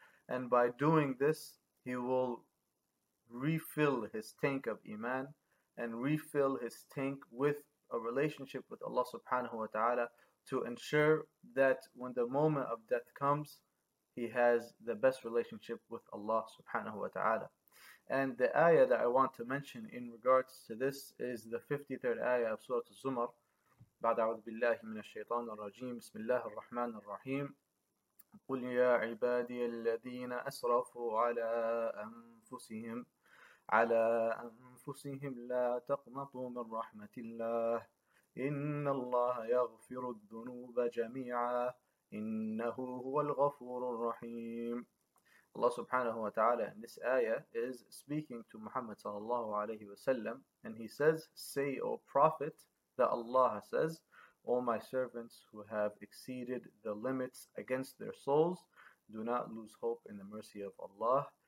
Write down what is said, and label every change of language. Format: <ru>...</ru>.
<en>And by doing this, he will refill his tank of iman and refill his tank with a relationship with Allah subhanahu wa ta'ala to ensure that when the moment of death comes, he has the best relationship with Allah subhanahu wa ta'ala. And the ayah that I want to mention in regards to this is the 53rd ayah of Surah Az-Zumar.</en> <ar>بعد أعوذ بالله من الشيطان الرجيم بسم الله الرحمن الرحيم قل يا عبادي الذين أسرفوا على أنفسهم لا تقنطوا من رحمة الله إن الله يغفر الذنوب جميعا إنه هو الغفور الرحيم.</ar> <en>Allah subhanahu wa ta'ala in this ayah is speaking to Muhammad sallallahu alayhi wa sallam, and he says, say, O Prophet, that Allah says, O my servants who have exceeded the limits against their souls, do not lose hope in the mercy of Allah,</en>